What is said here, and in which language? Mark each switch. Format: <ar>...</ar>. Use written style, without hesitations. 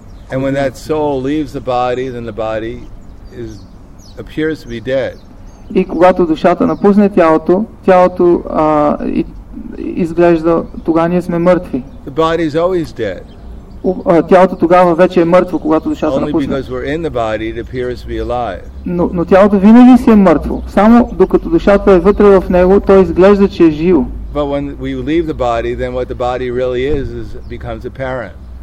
<en>And when that soul leaves the body, then the body is appears to be dead.</en> <bg>И когато душата напусне тялото, тялото изглежда, тогава ние сме мъртви.</bg> <en>The body is always dead.</en> <bg>Тялото тогава вече е мъртво, когато душата напусне.</bg> <en>Only because we're in the body, it appears to be alive.</en> <bg>Но тялото винаги си е мъртво. Само докато душата е вътре в него, то изглежда, че е живо.</bg> <en>But when we leave the body, then what the body really is becomes apparent.</en>